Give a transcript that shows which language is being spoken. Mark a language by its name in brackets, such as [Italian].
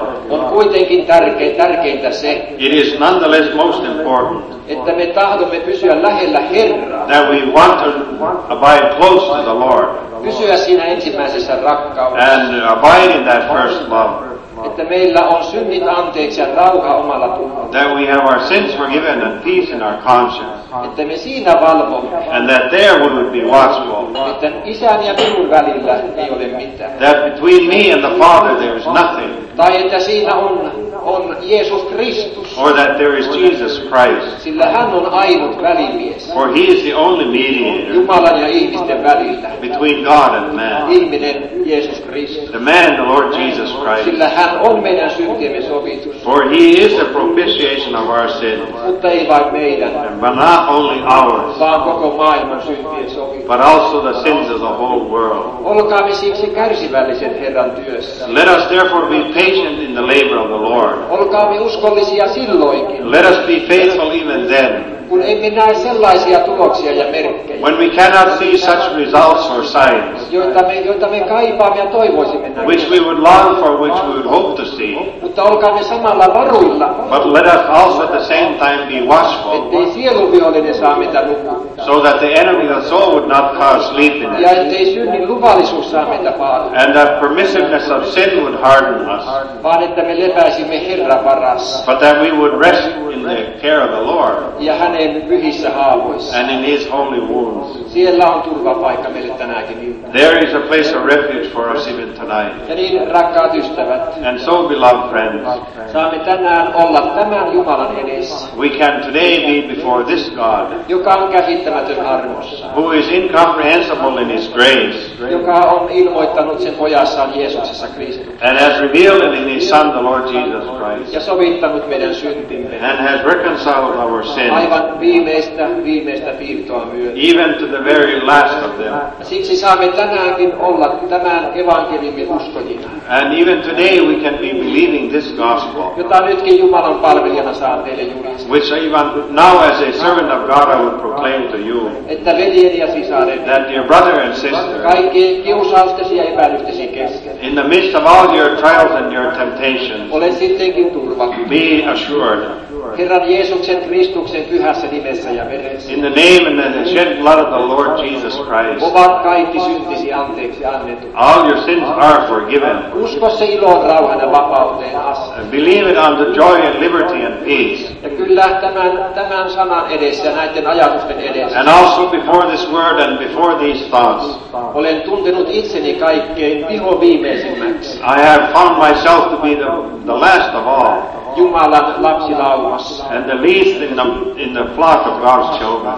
[Finnish] on kuitenkin tärkeintä se, [English] it is nonetheless most important, [Finnish] että me tahdomme pysyä lähellä Herraa, [English] that we want to abide close to the Lord, [Finnish] pysyä siinä ensimmäisessä rakkaudessa, [English] and abide in that first love, [Finnish] että meillä on synnit anteeksi ja rauha omalla tunnolla, [English] that we have our sins forgiven and peace in our conscience, [Finnish] että me siinä valvomme, [English] and that there we would be watchful, [Finnish] että isän ja minun välillä ei ole mitään, [English] that between me and the Father there is nothing, [Finnish] tai että siinä on Jeesus Kristus, [English] or that there is Jesus Christ, [Finnish] sillä hän on ainut välimies, [English] for he is the only mediator, [Finnish] Jumalan ja ihmisten välillä, [English] between God and man, [Finnish] ihminen Jeesus Kristus, [English] the man the Lord Jesus Christ, [Finnish] sillä hän on meidän syntiemme sovitus, [English] for he is the propitiation of our sins, [Finnish] mutta ei vain meidän, [English] but not only ours, [Finnish] vaan koko maailman syntiemme sovitus, [English] but also the sins of the whole world. [Finnish] Olkaamme siksi kärsivälliset Herran työssä. [English] Let us therefore be patient in the labor of the Lord. [Finnish] Olkaamme uskollisia silloinkin. [English] Let us be faithful even even then, [Finnish] kun ei me näe sellaisia tuloksia ja merkkejä, [English] when we cannot see such results or signs, [Finnish] joita me kaipaamme ja toivoisimme näkeä, [English] which we would long for, which we would hope to see, [Finnish] mutta olkaamme samalla varuilla, [English] but let us also at the same time be watchful, [Finnish] ettei sieluviollinen saa meitä nukkua, [English] so that the enemy of the soul would not cause sleepiness, [Finnish] ja ettei synnin luvallisuus saa meitä paata, [English] and that permissiveness of sin would harden us, [Finnish] vaan että me lepäisimme Herran varassa, [English] but that we would rest in the care of the Lord, [Finnish] ja hänen pyhissä haavoissa, [English] and in his holy wounds. [Finnish] Siellä on turvapaikka meille tänäkin iltana. [English] There is a place of refuge for us even tonight. [Finnish] Ja niin, rakkaat ystävät, [English] and so beloved friends, [Finnish] saamme tänään olla tämän Jumalan edessä. [English] We can today be before this God, [Finnish] joka on käsittämätön armossa, [English] who is incomprehensible in his grace, [Finnish] joka on ilmoittanut sen pojassaan Jeesuksessa Kristuksessa, [English] and has revealed in his Son the Lord Jesus Christ, [Finnish] ja sovittanut meidän syntimme, [English] and has reconciled our sins, [Finnish] aivan viimeistä piirtoa myöten, [English] even to the very last of them. [Finnish] Siksi saamme tänäänkin olla tämän evankeliumin uskojina. [English] And even today we can be believing this gospel, [Finnish] jota nytkin Jumalan palvelijana saan teille julistaa, [English] which even now as a servant of God I would proclaim to you, [Finnish] että veljeni ja sisaret, [English] that your brother and sister, [Finnish] kaikki kiusaustesi ja epäilystesi kesken, [English] in the midst of all your trials and your temptations, [Finnish] ole sittenkin turvattu, [English] be assured, [Finnish] Herran Jeesuksen Kristuksen pyhässä nimessä ja veressä, [English] in the name and the shed blood of the Lord Jesus Christ, [Finnish] ovat kaikki syntisi anteeksi annettu, [English] all your sins are forgiven. [Finnish] Usko se iloon, rauhan ja vapauteen asti. [English] Believe it unto joy and liberty and peace. [Finnish] Ja kyllä tämän sanan edessä, näiden ajatusten edessä. [English] And also before this word and before these thoughts, [Finnish] olen tuntenut itseni kaikkein vihoviimeisimmäksi. [English] I have found myself to be the last of all, [Finnish] Jumalan lapsilaumassa, [English] and the least in the flock of God's children,